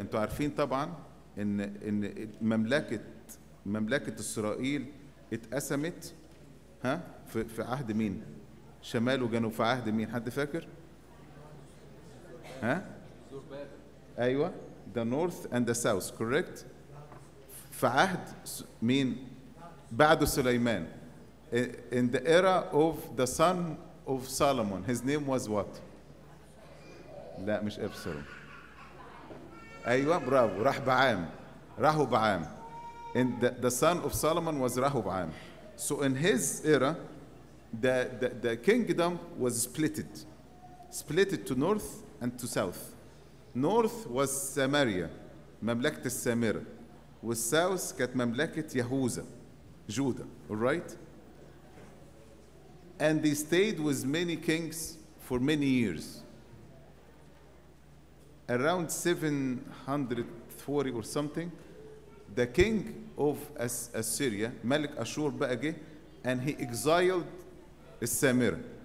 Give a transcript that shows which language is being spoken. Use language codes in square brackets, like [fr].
[ar] انتوا عارفين طبعا ان مملكة اسرائيل اتقسمت ها في عهد مين؟ شمال وجنوب في عهد مين؟ حد فاكر؟ ها؟ ايوه [en] the north and the south correct؟ [ar] في عهد مين؟ بعد سليمان. [en] In the era of the son of Solomon, his name was what? [ar] لا مش أبسلوم. أيوه برافو رهبعام. رهبعام. [en] The son of Solomon was رهبعام. So in his era, the kingdom was splitted to north and to south. North was Samaria, [ar] مملكة السامرة. والساوث كانت مملكة يهوذا جودة. [en] Alright. And they stayed with many kings for many years. Around 740 or something, the king of Assyria, [ar] ملك أشور بقى جه, [en] and he exiled السامرة.